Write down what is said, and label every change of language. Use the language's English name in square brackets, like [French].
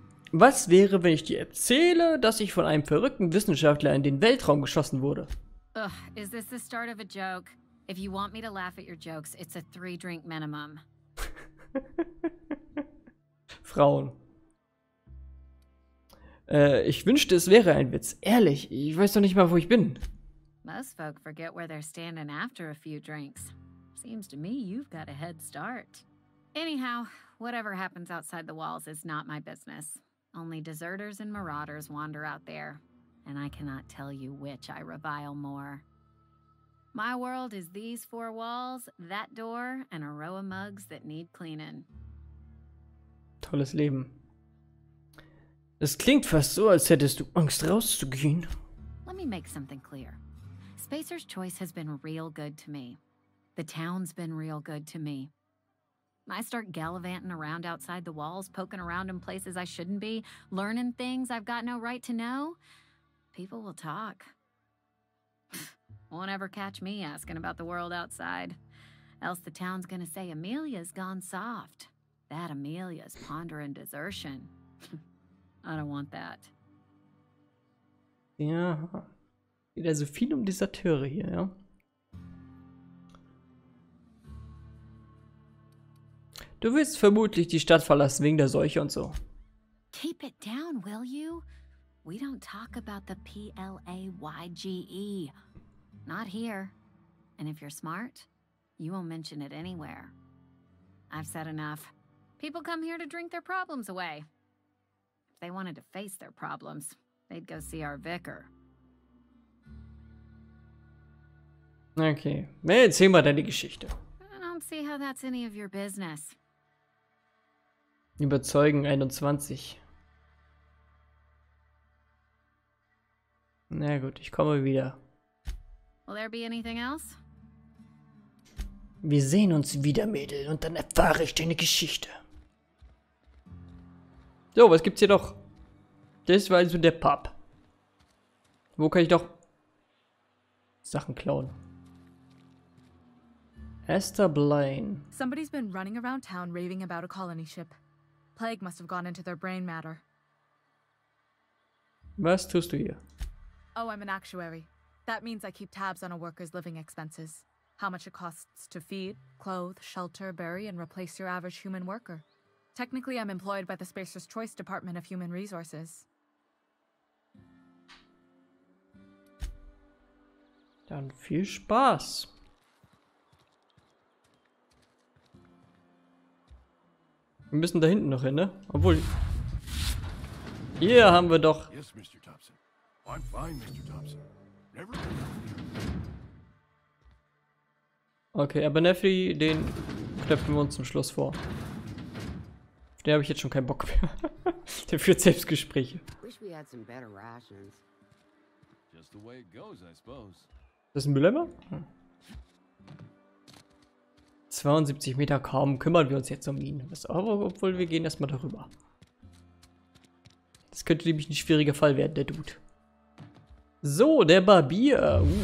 [German] Was wäre, wenn ich dir erzähle, dass ich von einem verrückten Wissenschaftler in den Weltraum geschossen wurde? [English] Ugh, is this the start of a joke? If you want me to laugh at your jokes, it's a 3-drink minimum. [German] Frauen. Ich wünschte, es wäre ein Witz. Ehrlich, ich weiß doch nicht mal, wo ich bin. [English] Most folk forget where they're standing after a few drinks. Seems to me you've got a head start. Anyhow, whatever happens outside the walls is not my business. Only deserters and marauders wander out there, and I cannot tell you which I revile more. My world is these four walls, that door, and a row of mugs that need cleaning. [German] Tolles Leben. Es klingt fast so, als hättest du Angst rauszugehen. [English] Let me make something clear. Spacer's choice has been real good to me. The town's been real good to me. I start gallivanting around outside the walls, poking around in places I shouldn't be, learning things I've got no right to know. People will talk. Won't ever catch me asking about the world outside. Else the town's gonna say Amelia's gone soft. That Amelia's pondering desertion. I don't want that. [German] Ja, wieder so viel um Deserteure hier, ja. Du wirst vermutlich die Stadt verlassen wegen der Seuche und so. [English] Keep it down, will you? We don't talk about the PLAYGE. Not here. And if you're smart, you won't mention it anywhere. I've said enough. People come here to drink their problems away. If they wanted to face their problems, they'd go see our vicar. Okay. [German] Hey, erzähl mal deine Geschichte. [English] I don't see how that's any of your business. [German] Überzeugen 21. Na gut, ich komme wieder. [English] Will there be anything else? [German] Wir sehen uns wieder, Mädel, und dann erfahre ich deine Geschichte. So, was gibt's hier noch? Das war also der Pub. Wo kann ich doch Sachen klauen? Esther Blaine. [English] Somebody's been running around town raving about a colony ship. Plague must have gone into their brain matter. [German] Was tust du hier? [English] Oh, I'm an actuary. That means I keep tabs on a worker's living expenses. How much it costs to feed, clothe, shelter, bury, and replace your average human worker. Technically, I'm employed by the Spacer's Choice Department of Human Resources. [German] Dann viel Spaß. Wir müssen da hinten noch hin, ne? Obwohl, hier haben wir doch... [English] Yes, Mr. Thompson. I'm fine, Mr. Thompson. Never... [German] Okay, aber Neffy, den knöpfen wir uns zum Schluss vor. Auf den habe ich jetzt schon keinen Bock mehr. Der führt Selbstgespräche. [English] Wish we had some better rations. Just the way it goes, I suppose. [German] Das ist ein Dilemma? Hm. 72 Meter kaum, kümmern wir uns jetzt um ihn. Obwohl, wir gehen erstmal darüber. Das könnte nämlich ein schwieriger Fall werden, der Dude. So, der Barbier.